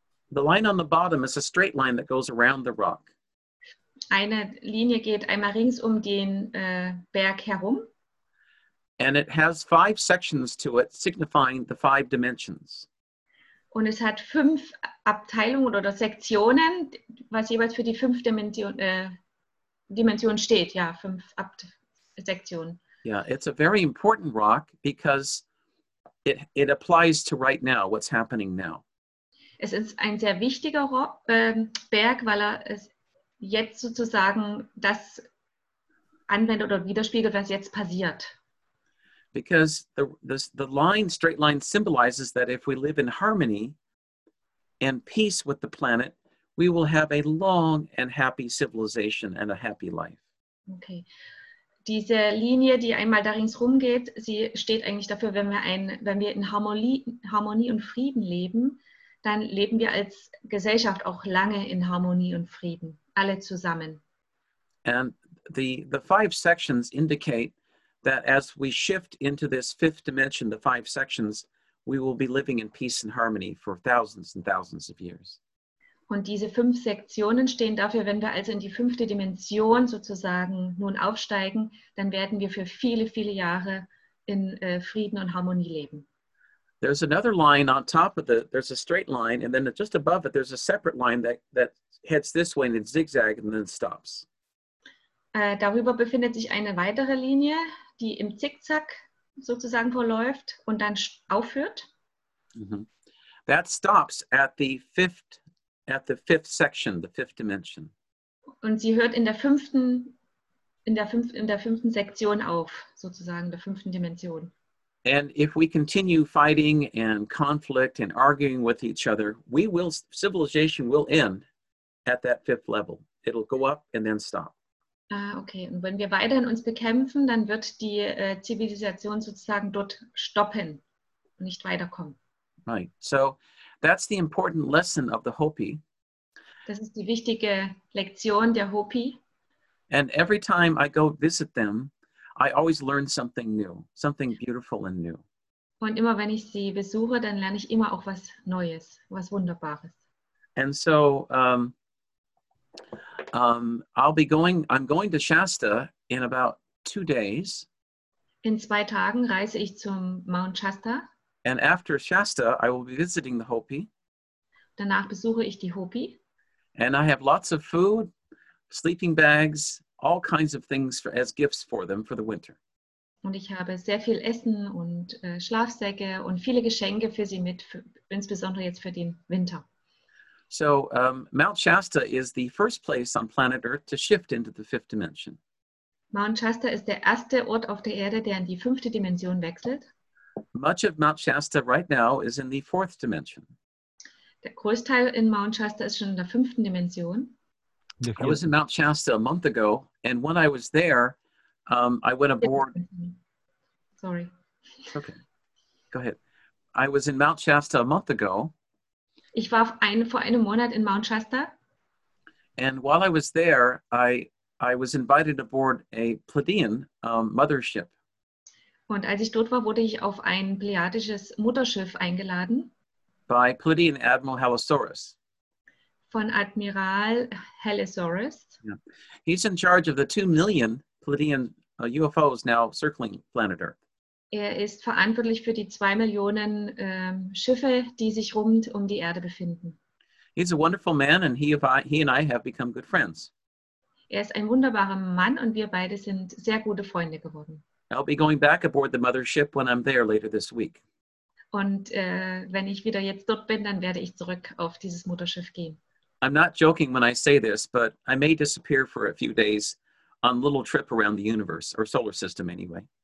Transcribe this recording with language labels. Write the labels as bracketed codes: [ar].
[en] The line on the bottom is a straight line that goes around the rock. [de] Eine Linie geht einmal rings um den Berg herum. [en] And it has five sections to it, signifying the five dimensions. [de] Und es hat fünf Abteilungen oder Sektionen, was jeweils für die fünf Dimensionen steht. Ja, fünf Sektionen. [en] Yeah, it's a very important rock because It applies to right now, what's happening now. [de] Es ist ein sehr wichtiger Berg, weil er es jetzt sozusagen das anwendet oder widerspiegelt, was jetzt passiert. [en] Because the line, straight line, symbolizes that if we live in harmony and peace with the planet, we will have a long and happy civilization and a happy life. Okay. [de] Diese Linie, die einmal da ringsherum geht, sie steht eigentlich dafür, wenn wir in Harmonie und Frieden leben, dann leben wir als Gesellschaft auch lange in Harmonie und Frieden, alle zusammen. [en] And the five sections indicate that as we shift into this fifth dimension, the five sections, we will be living in peace and harmony for thousands and thousands of years. [de] Und diese fünf Sektionen stehen dafür, wenn wir also in die fünfte Dimension sozusagen nun aufsteigen, dann werden wir für viele, viele Jahre in Frieden und Harmonie leben. [en] There's another line on top of the, there's a straight line, and then just above it, there's a separate line that heads this way and it zigzags and then stops. [de] Darüber befindet sich eine weitere Linie, die im Zickzack sozusagen verläuft und dann aufhört. Mm-hmm. [en] That stops at the fifth section, the fifth dimension. [de] Und sie hört in der fünften Sektion auf, sozusagen der fünften Dimension. [en] And if we continue fighting and conflict and arguing with each other, civilization will end at that fifth level. It'll go up and then stop. Ah, okay. [de] Und wenn wir weiterhin uns bekämpfen, dann wird die Zivilisation sozusagen dort stoppen und nicht weiterkommen. [en] Right. So that's the important lesson of the Hopi. [de] Das ist die wichtige Lektion der Hopi. [en] And every time I go visit them, I always learn something new, something beautiful and new. [de] Und immer wenn ich sie besuche, dann lerne ich immer auch was Neues, was Wunderbares. [en] And so I'm going to Shasta in about 2 days. [de] In 2 Tagen reise ich zum Mount Shasta. [en] And after Shasta, I will be visiting the Hopi. [de] Danach besuche ich die Hopi. [en] And I have lots of food, sleeping bags, all kinds of things as gifts for them for the winter. [de] Und ich habe sehr viel Essen und Schlafsäcke und viele Geschenke für sie mit, insbesondere jetzt für den Winter. [en] So Mount Shasta is the first place on planet Earth to shift into the fifth dimension. [de] Mount Shasta ist der erste Ort auf der Erde, der in die fünfte Dimension wechselt. [en] Much of Mount Shasta right now is in the fourth dimension. [de] Der Großteil in Mount Shasta ist schon in der fünften Dimension. [en] I was in Mount Shasta a month ago, and when I was there, I went aboard. Sorry. Okay. Go ahead. I was in Mount Shasta a month ago. [de] Ich war vor einem Monat in Mount Shasta. [en] And while I was there, I was invited aboard a Pleiadian mothership. [de] Und als ich dort war, wurde ich auf ein pleiadisches Mutterschiff eingeladen. [en] By Pleiadian Admiral Halosaurus. [de] Von Admiral Halosaurus. [en] Yeah. He's in charge of the 2 million Pleiadian UFOs now circling planet Earth. [de] Er ist verantwortlich für die 2 Millionen Schiffe, die sich rund um die Erde befinden. [en] He's a wonderful man, and he and I have become good friends. [de] Er ist ein wunderbarer Mann, und wir beide sind sehr gute Freunde geworden. [en] I'll be going back aboard the mothership when I'm there later this week. [de] Und wenn ich wieder jetzt dort bin, dann werde ich zurück auf dieses Mutterschiff gehen. [en] I'm not joking when I say this, but I may disappear for a few days on a little trip around the universe or solar system anyway.